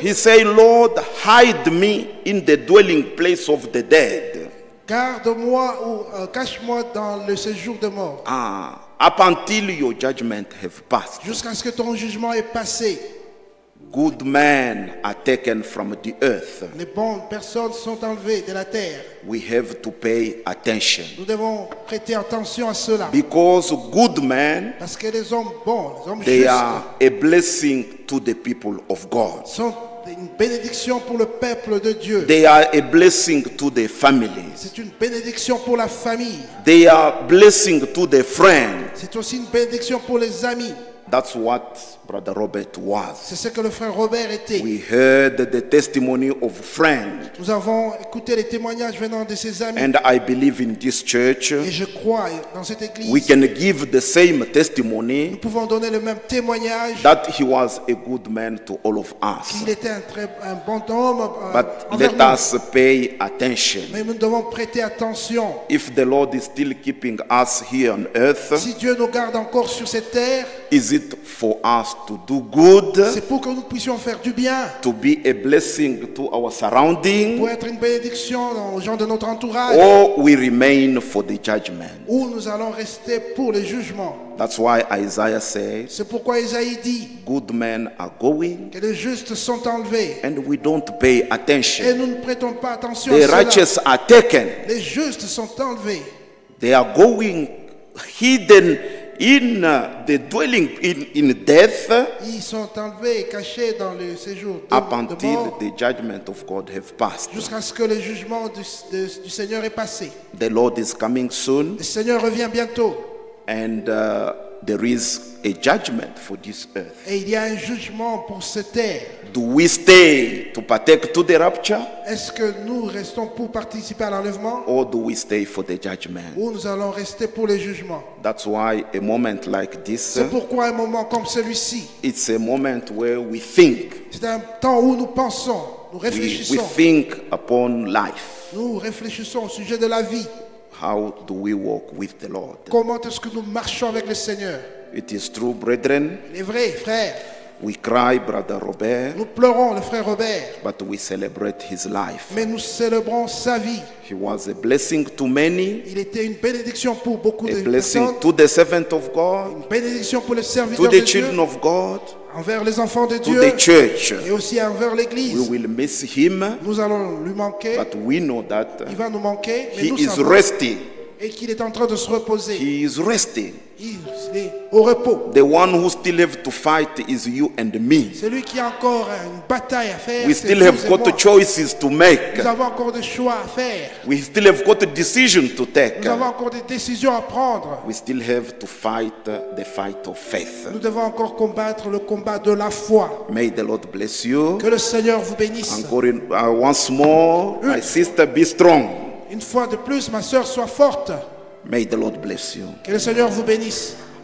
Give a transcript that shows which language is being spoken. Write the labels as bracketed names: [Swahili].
[English] He said, Lord, hide me in the dwelling place of the dead. [French] Garde-moi ou cache-moi dans le séjour de mort. [English] Ah, up until your judgment have passed. [French] Jusqu'à ce que ton jugement ait passé. [English] Good men are taken from the earth. [French] Les bonnes personnes sont enlevées de la terre. [English] We have to pay attention. [French] Nous devons prêter attention à cela. [English] Because good men, [French] parce que les hommes bons, les hommes [English] they [French] justes, [English] are a blessing to the people of God. [French] Sont une bénédiction pour le peuple de Dieu. [English] They are a blessing to their families. [French] C'est une bénédiction pour la famille. [English] They are blessing to their friends. [French] C'est aussi une bénédiction pour les amis. [English] That's what Brother Robert was. [French] C'est ce que le frère Robert était. [English] We heard the testimony of friends. [French] Nous avons écouté les témoignages venant de ses amis. [English] And I believe in this church. [French] Et je crois dans cette église. [English] We can give the same testimony. [French] Nous pouvons donner le même témoignage. [English] That he was a good man to all of us. [French] Qu'il était un bon homme. [English] But let us pay attention. [French] Mais nous devons prêter attention. [English] If the Lord is still keeping us here on earth. [French] Si Dieu nous garde encore sur cette terre. [English] Is it for us to do good? [French] C'est pour que nous puissions faire du bien. [English] To be a blessing to our surrounding. [French] Pour être une bénédiction aux gens de notre entourage. [English] Or we remain for the judgment. [French] Ou nous allons rester pour le jugement. [English] That's why Isaiah says. [French] C'est pourquoi Isaïe dit. [English] Good men are going. [French] Que les justes sont enlevés. [English] And we don't pay attention. [French] Et nous ne prêtons pas attention. [English] The [French] à cela. [English] Righteous are taken. [French] Les justes sont enlevés. [English] They are going hidden. In the dwelling in death, [French] ils sont enlevés et cachés dans le séjour de, [English] up until the judgment of God have passed. [French] Jusqu'à ce que le jugement du Seigneur est passé. [English] The Lord is coming soon. [French] Le Seigneur revient bientôt. [English] And there is a judgment for this earth. [French] Et il y a un jugement pour cette terre. [English] Do we stay to partake to the rapture? [French] Est-ce que nous restons pour participer à l'enlèvement? [English] Or do we stay for the judgment? [French] Ou nous allons rester pour le jugement? [English] That's why a moment like this. [French] C'est pourquoi un moment comme celui-ci. [English] It's a moment where we think. [French] C'est un temps où nous pensons, nous réfléchissons. [English] We think upon life. [French] Nous réfléchissons au sujet de la vie. [English] How do we walk with the Lord? [French] Comment est-ce que nous marchons avec le Seigneur? [English] It is true, brethren. [French] Il est vrai, frère. [English] We cry, Brother Robert. [French] Nous pleurons, le frère Robert. [English] But we celebrate his life. [French] Mais nous célébrons sa vie. [English] He was a blessing to many. [French] Il était une bénédiction pour beaucoup [English] a [French] de [English] blessing [French] personnes. [English] To the servant of God. [French] Une bénédiction pour le serviteur [English] to the [French] de Dieu. [English] Children of God. [French] Envers les enfants de [English] to [French] Dieu. [English] The church. [French] Et aussi envers l'église. [English] We will miss him. [French] Nous allons lui manquer. [English] But we know that. [French] Il va nous manquer. Mais [English] he [French] nous [English] is resting. [French] Et qu'il est en train de se reposer. [English] He is resting. [French] Il est au repos. [English] The one who still have to fight is you and me. [French] Celui qui a encore une bataille à faire. [English] We still have got choices to make. [French] Nous avons encore des choix à faire. [English] We still have got a decision to take. [French] Nous avons encore des décisions à prendre. [English] We still have to fight the fight of faith. [French] Nous devons encore combattre le combat de la foi. [English] May the Lord bless you. [French] Que le Seigneur vous bénisse. [English] Encore once more, my sister, be strong. [French] Une fois de plus, ma sœur, sois forte. [English] May the Lord bless you. [French] Que le Seigneur vous bénisse.